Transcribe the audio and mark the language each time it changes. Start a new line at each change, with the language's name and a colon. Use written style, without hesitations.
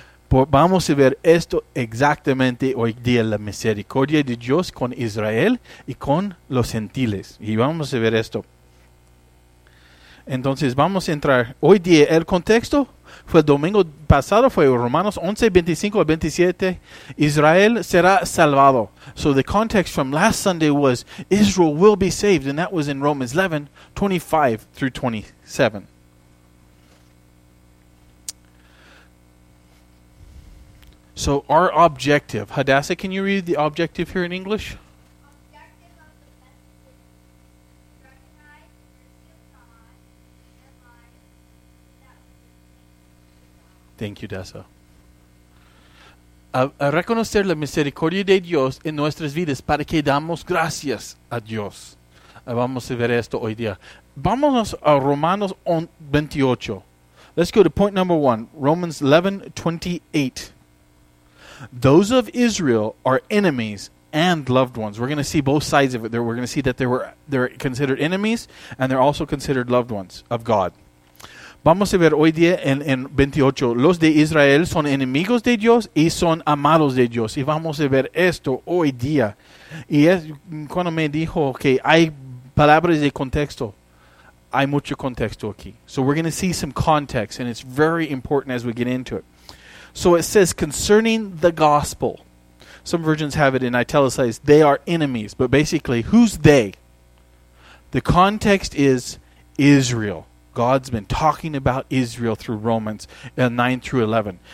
Spanish: Vamos a ver esto exactamente hoy día, la misericordia de Dios con Israel y con los gentiles. Y vamos a ver esto. Entonces vamos a entrar hoy día. El contexto fue el domingo pasado, fue Romanos 11, 25 a 27. Israel será salvado.
English: So the context from last Sunday was Israel will be saved, and that was in Romans 11, 25 through 27. So our objective, Hadassah, can you read the objective here in English? Thank you, Dessa.
Spanish: A reconocer la misericordia de Dios en nuestras vidas para que damos gracias a Dios. Vamos a ver esto hoy día. Vámonos a Romanos 28.
English: Let's go to point number one. Romans 11, 28. Those of Israel are enemies and loved ones. We're going to see both sides of it there. We're going to see that they're considered enemies and they're also considered loved ones of God.
Spanish: Vamos a ver hoy día en 28. Los de Israel son enemigos de Dios y son amados de Dios. Y vamos a ver esto hoy día. Y es cuando me dijo que hay palabras de contexto. Hay mucho contexto aquí.
English: So we're going to see some context. And it's very important as we get into it. So it says concerning the gospel. Some versions have it in italicized. They are enemies. But basically, who's they? The context is Israel. God's been talking about Israel through Romans 9 through 11.